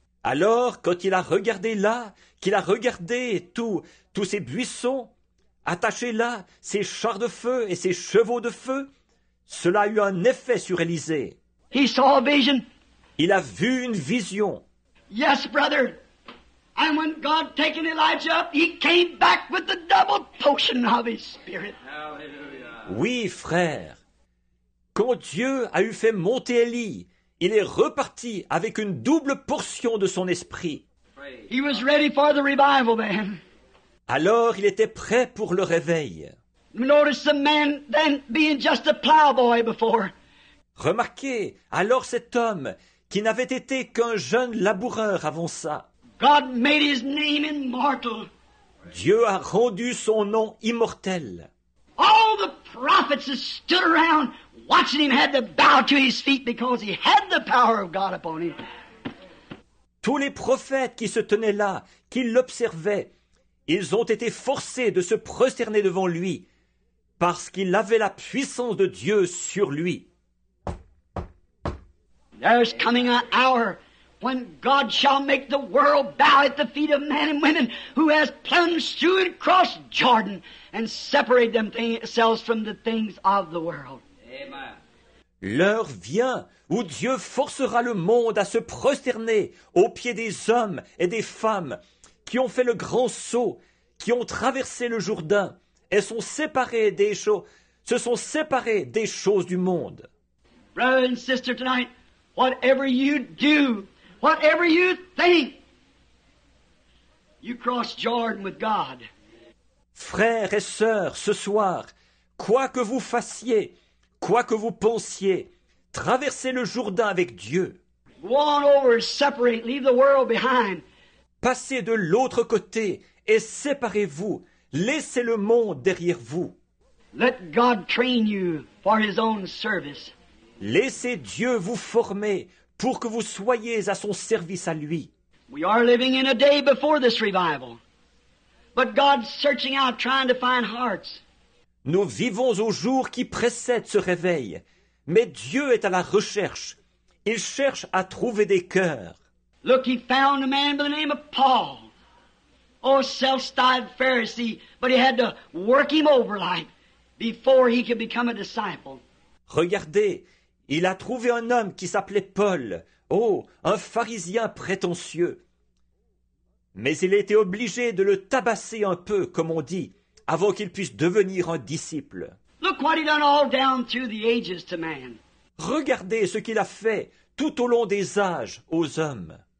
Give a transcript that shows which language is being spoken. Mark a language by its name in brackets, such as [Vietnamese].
[French] Alors, quand il a regardé là, qu'il a regardé tous ces buissons, attachés là, ces chars de feu et ces chevaux de feu, cela a eu un effet sur Élisée. [English] He saw a vision. [French] Il a vu une vision. [English] Yes, brother. And when God taken Elijah up, he came back with the double portion of his spirit. [French] Hallelujah. Oui, frère. Quand Dieu a eu fait monter Élie, il est reparti avec une double portion de son esprit. [English] He was ready for the revival, man. [French] Alors, il était prêt pour le réveil. [English] Notice the man then being just a plowboy before. [French] Remarquez, alors cet homme qui n'avait été qu'un jeune laboureur avant ça. [English] God made his name immortal. [French] Dieu a rendu son nom immortel. [English] All the prophets that stood around watching him had to bow to his feet because he had the power of God upon him. [French] Tous les prophètes qui se tenaient là, qui l'observaient, ils ont été forcés de se prosterner devant lui parce qu'il avait la puissance de Dieu sur lui. [English] There's coming an hour when God shall make the world bow at the feet of men and women who has plunged through and crossed Jordan and separated themselves from the things of the world. Amen. [French] L'heure vient où Dieu forcera le monde à se prosterner aux pieds des hommes et des femmes qui ont fait le grand saut, qui ont traversé le Jourdain et sont séparés des choses, se sont séparés des choses du monde. [English] Brother and sister tonight, whatever you do, whatever you think, you cross Jordan with God. [French] Frères et sœurs, ce soir, quoi que vous fassiez, quoi que vous pensiez, traversez le Jourdain avec Dieu. [English] Go on over, separate, leave the world behind. [French] Passez de l'autre côté et séparez-vous. Laissez le monde derrière vous. [English] Let God train you for his own service. [French] Laissez Dieu vous former pour que vous soyez à son service à lui. [English] We are living in a day before this revival. But God's searching out, trying to find hearts. [French] Nous vivons au jour qui précède ce réveil, mais Dieu est à la recherche. Il cherche à trouver des cœurs. [English] Look, he found a man by the name of Paul. Oh, self-styled Pharisee, but he had to work him over like before he could become a disciple. [French] Regardez, il a trouvé un homme qui s'appelait Paul. Oh, un pharisien prétentieux. Mais il a été obligé de le tabasser un peu, comme on dit, avant qu'il puisse devenir un disciple. [English] Look what he done all down through the ages to man. [French] Regardez ce qu'il a fait tout au long des âges aux hommes.